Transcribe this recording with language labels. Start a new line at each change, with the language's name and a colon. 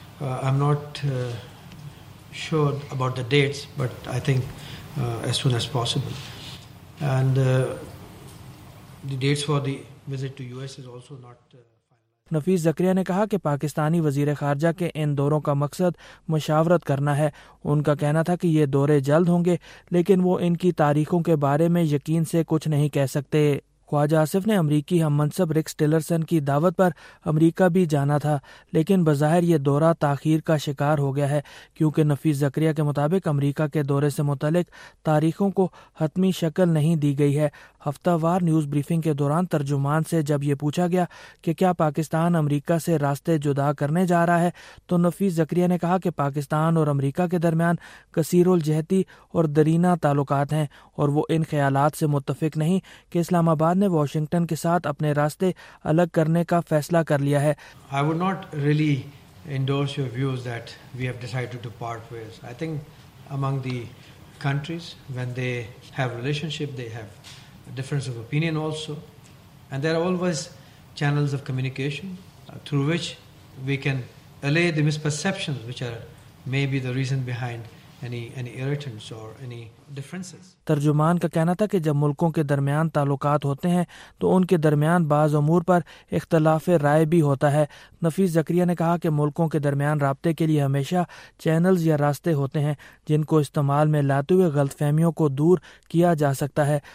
English: I'm not sure about the dates, but I think as soon as possible. And the dates for the visit to US is also not
Urdu: نفیس زکریا نے کہا کہ پاکستانی وزیر خارجہ کے ان دوروں کا مقصد مشاورت کرنا ہے. ان کا کہنا تھا کہ یہ دورے جلد ہوں گے, لیکن وہ ان کی تاریخوں کے بارے میں یقین سے کچھ نہیں کہہ سکتے. خواجہ آصف نے امریکی ہم منصب رکس ٹیلرسن کی دعوت پر امریکہ بھی جانا تھا, لیکن بظاہر یہ دورہ تاخیر کا شکار ہو گیا ہے کیونکہ نفیس زکریا کے مطابق امریکہ کے دورے سے متعلق تاریخوں کو حتمی شکل نہیں دی گئی ہے. ہفتہ وار نیوز بریفنگ کے دوران ترجمان سے جب یہ پوچھا گیا کہ کیا پاکستان امریکہ سے راستے جدا کرنے جا رہا ہے, تو نفیس زکریا نے کہا کہ پاکستان اور امریکہ کے درمیان کثیر الجہتی اور دیرینہ تعلقات ہیں, اور وہ ان خیالات سے متفق نہیں کہ اسلام آباد نے واشنگٹن کے ساتھ اپنے راستے الگ کرنے کا فیصلہ کر لیا ہے.
English: I would not really endorse your views that we have decided to part ways. I think among the countries when they have relationship they have a difference of opinion also, and there are always channels of communication through which we can allay the misperceptions which are may be the reason behind any irritants or any differences.
Urdu: ترجمان کا کہنا تھا کہ جب ملکوں کے درمیان تعلقات ہوتے ہیں تو ان کے درمیان بعض امور پر اختلاف رائے بھی ہوتا ہے. نفیس زکریا نے کہا کہ ملکوں کے درمیان رابطے کے لیے ہمیشہ چینلز یا راستے ہوتے ہیں جن کو استعمال میں لاتے ہوئے غلط فہمیوں کو دور کیا جا سکتا ہے.